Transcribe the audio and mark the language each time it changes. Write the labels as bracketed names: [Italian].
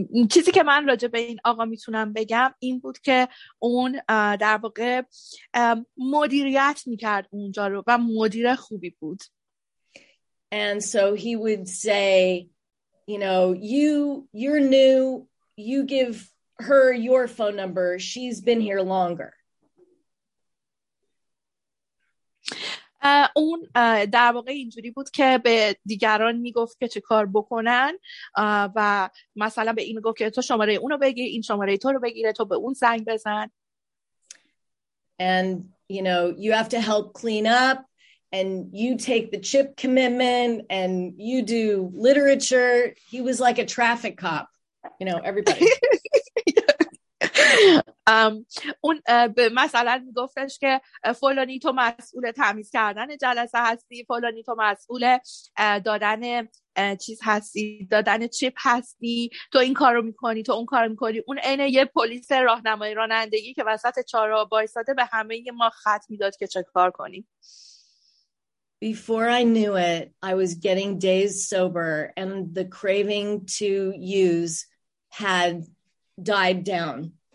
[Persian] چیزی که من راجع به این آقا میتونم بگم این بود که اون در واقع مدیریت میکرد اونجا رو و مدیر خوبی بود. [English] And so he would say, you know, you're new, you give her your phone number, she's been here longer. [Persian] اون در واقع اینجوری بود که به دیگران میگفت که چه کار بکنن و مثلا به این میگفت که تو شماره اونو بگیر، این شماره تو رو بگیره، تو به اون زنگ بزن. [English] And you know, you have to help clean up and you take the chip commitment and you do literature. He was like a traffic cop, you know, everybody. [Persian] اون به مثلا میگفتش که فلانی تو مسئول تمیز کردن جلسه هستی، فلانی تو مسئول دادن چیز هستی، دادن چیپ هستی، تو این کارو میکنی، تو اون کارو میکنی. اون اینه یه پلیس راهنمای رانندگی که وسط چهارراه وایساده به همه ما خط میداد که چه کار کنیم. [English] Before I knew it, I was getting days sober and the craving to use had died down.